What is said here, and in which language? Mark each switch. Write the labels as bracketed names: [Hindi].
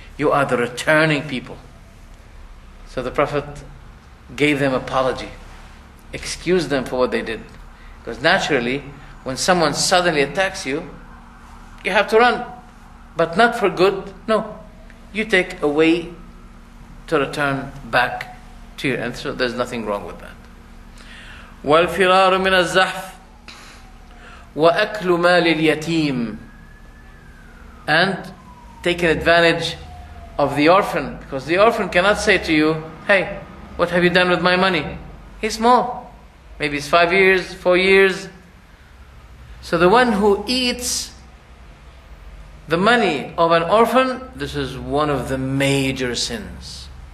[English] You are the returning people." So the Prophet gave them apology, excused them for what they did, because naturally, when someone suddenly attacks you, you have to run, but not for good. No. You take a way to return back to your end. So there's nothing wrong with that. [Arabic] والفرار من الزحف وأكل مال اليتيم. [English] And taking advantage of the orphan. Because the orphan cannot say to you, hey, what have you done with my money? He's small. Maybe it's 5 years, 4 years. So the one who eats the money of an orphan, this is one of the major sins.